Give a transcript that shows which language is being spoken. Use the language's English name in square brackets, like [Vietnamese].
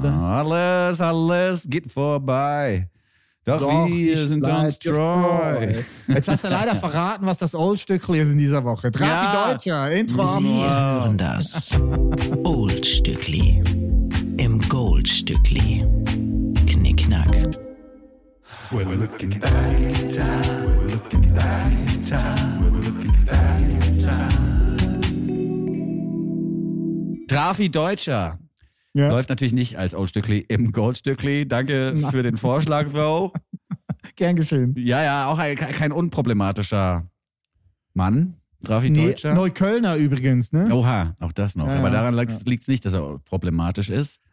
[German] Alles, alles geht vorbei. Doch, wir sind uns treu. Jetzt hast du leider verraten, was das Oldstückli ist in dieser Woche. Trafi ja. Deutscher, Intro. Sie hören das Oldstückli im Goldstückli. Knickknack. [English] We're looking back in time. We're looking back in time. We're looking back in time. [German] Trafi Deutscher. Ja. Läuft natürlich nicht als Oldstückli im Goldstückli. Danke für den Vorschlag, Bro. Gern geschehen. Ja, ja, auch kein unproblematischer Mann, Trafi Deutscher. Neuköllner übrigens, ne? Oha, auch das noch. Ja, aber ja, daran liegt es nicht, dass er problematisch ist.